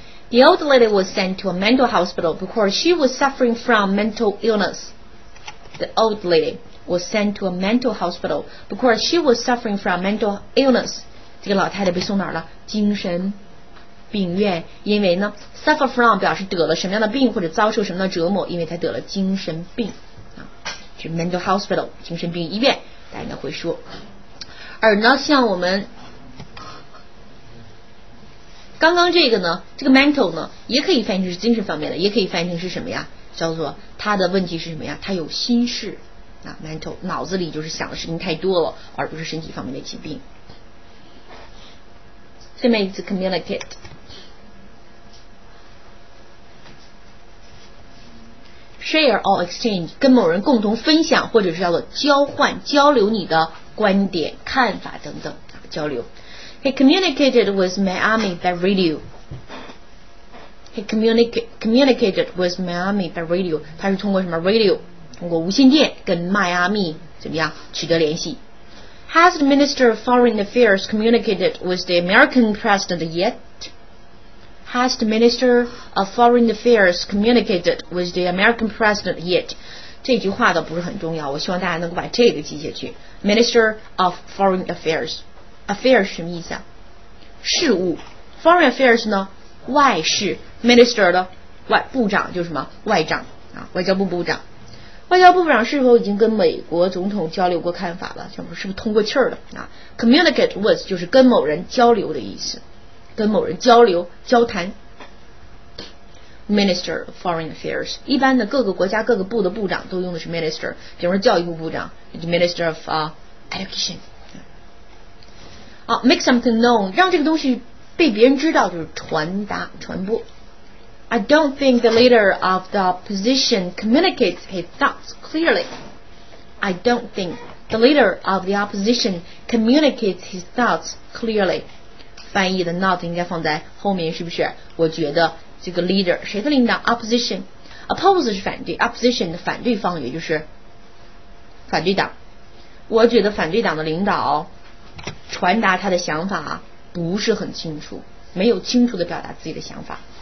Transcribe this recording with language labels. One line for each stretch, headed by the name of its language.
English: The old lady was sent to a mental hospital because she was suffering from mental illness. The old lady was sent to a mental hospital because she was suffering from mental illness.
Chinese: 这个老太太被送哪儿了？精神病院，因为呢 suffer from 表示得了什么样的病或者遭受什么样的折磨，因为她得了精神病啊，去 mental hospital 精神病医院，大家会说。而呢像我们刚刚这个呢，这个 mental 呢也可以翻译成是精神方面的，也可以翻译成是什么呀，叫做他的问题是什么呀，他有心事啊。 mental 脑子里就是想的事情太多了，而不是身体方面的疾病。下面一次 communicate，
English: share or exchange，
Chinese: 跟某人共同分享，或者是叫做交换、交流你的观点、看法等等，交流。
English: He communicated with Miami by radio. He communicated with Miami by radio.
Chinese: 他是通过什么 radio？通过无线电跟迈阿密怎么样取得联系？
English: Has the Minister of Foreign Affairs communicated with the American President yet? Has the Minister of Foreign Affairs communicated with the American President yet?
Chinese: 这句话倒不是很重要，我希望大家能够把这个记下去。 Minister of Foreign Affairs， Affairs 什么意思啊？事务。Foreign Affairs 呢？外事。 Minister 的外部长就是什么？外长啊，外交部部长。外交部部长是否已经跟美国总统交流过看法了？是不是通过气儿的啊 ？Communicate with 就是跟某人交流的意思，跟某人交流交谈。 Minister of Foreign Affairs 一般的各个国家各个部的部长都用的是 Minister， 比如说教育部部长 Minister of Education。
English: Make something known，
Chinese: 让这个东西被别人知道，就是传达传播。
English: I don't think the leader of the opposition communicates his thoughts clearly. I don't think the leader of the opposition communicates his thoughts clearly.
Chinese: 翻译的 not 应该放在后面，是不是？我觉得这个 leader 谁的领导 ？Opposition. Oppose 是反对 ，opposition 的反对方也就是反对党。我觉得反对党的领导传达他的想法不是很清楚，没有清楚地表达自己的想法。